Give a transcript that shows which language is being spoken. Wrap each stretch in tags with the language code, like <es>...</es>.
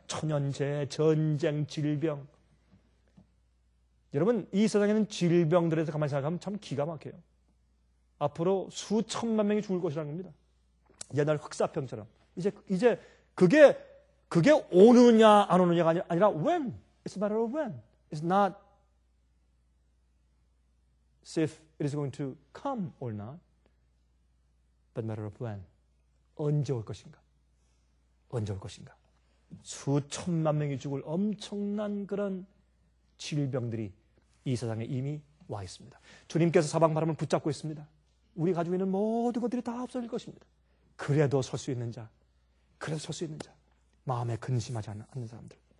<ko>천연재해, 전쟁, 질병. 여러분, 이 세상에는 질병들에서 가만히 생각하면 참 기가 막혀요. 앞으로 수천만 명이 죽을 것이라는 겁니다. 옛날 흑사병처럼. 이제 그게 오느냐 안 오느냐가 아니라 when.</ko> <en>It's a matter of when. It's not if it is going to come or not, but matter of when.</en> <ko>언제 올 것인가? 언제 올 것인가? 수천만 명이 죽을 엄청난 그런 질병들이 이 세상에 이미 와 있습니다. 주님께서 사방 바람을 붙잡고 있습니다. 우리 가지고 있는 모든 것들이 다 없어질 것입니다. 그래도 설 수 있는 자, 그래도 설 수 있는 자, 마음에 근심하지 않는 사람들.</ko>